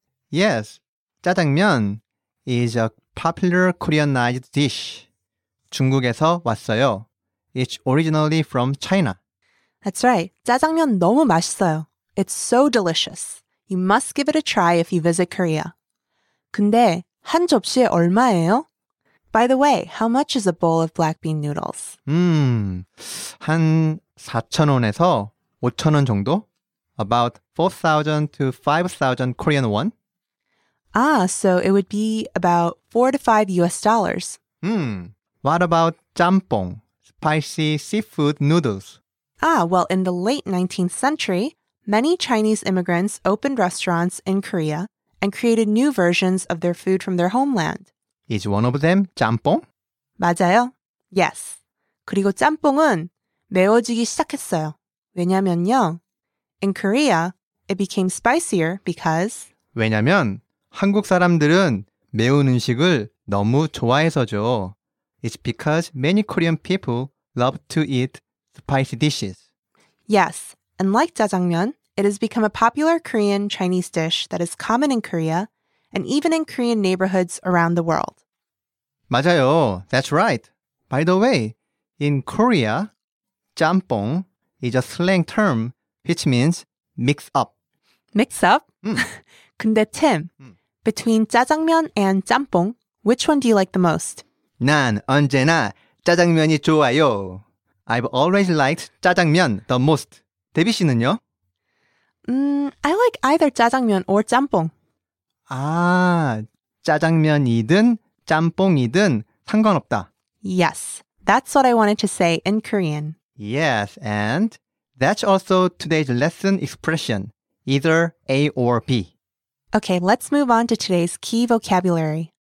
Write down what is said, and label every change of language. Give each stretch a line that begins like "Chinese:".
English: Yes, 짜장면 is a popular Koreanized dish.
Korean: 중국에서 왔어요.
English: It's originally from China. That's right.
Korean: 짜장면 너무 맛있어요.
English: It's so delicious. You must give it a try if you visit Korea.
Korean: 근데 한 접시에 얼마예요?
English: By the way, how much is a bowl of black bean noodles?
Korean: 한 4,000원에서 5,000원 정도?
English: About 4,000 to 5,000 Korean won? Ah, so it would be about 4 to 5 US dollars. What about 짬뽕? Spicy seafood noodles. Ah, well, in the late 19th century, many Chinese immigrants opened restaurants in Korea and created new versions of their food from their homeland. Is one of them 짬뽕?
Korean: 맞아요.
English: Yes.
Korean: 그리고 짬뽕은 매워지기 시작했어요. 왜냐면요.
English: In Korea, it became spicier because
Korean: 왜냐면 한국 사람들은 매운 음식을 너무 좋아해서죠.
English: It's because many Korean people love to eat spicy dishes. Yes, and like 짜장면, it has become a popular Korean Chinese dish that is common in Korea and even in Korean neighborhoods around the world.
Korean: 맞아요,
English: that's right. By the way, in Korea, 짬뽕 is a slang term which means mix up. Mix up?
Korean: 근데
English: Tim, between 짜장면 and 짬뽕, which one do you like the most?
Korean: 난 언제나 짜장면이 좋아요.
English: I've always liked 짜장면 the most.
Korean: 데뷔 씨는요?
English: I like either 짜장면 or 짬뽕.
Korean: 아, 짜장면이든 짬뽕이든 상관없다.
English: Yes, that's what I wanted to say in Korean. Yes, and that's also today's lesson expression, either A or B. Okay, let's move on to today's key vocabulary.